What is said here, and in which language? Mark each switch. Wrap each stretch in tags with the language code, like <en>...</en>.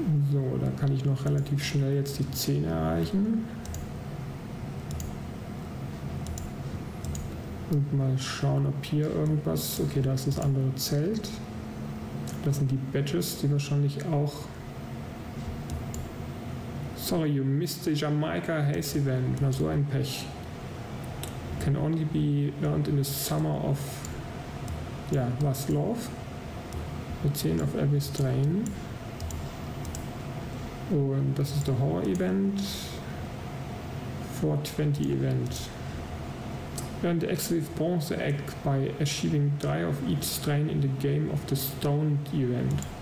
<de>So, da kann ich noch relativ schnell jetzt die 10 erreichen. Und mal schauen, ob hier irgendwas... Okay, da ist das andere Zelt. Das sind die Badges, die wahrscheinlich auch...</de> <en>Sorry, you missed the Jamaica Haze Event.</en> <de>Na, so ein Pech.</de> <en>Can only be earned in the summer of...</en> <de>Ja, was,</de> <en>love? Mit 10 of every strain.</en> <de>Und das ist the Horror Event.</de> <en>420 Event. Earn the exclusive bronze egg by achieving 3 of each strain in the game of the stoned event.</en>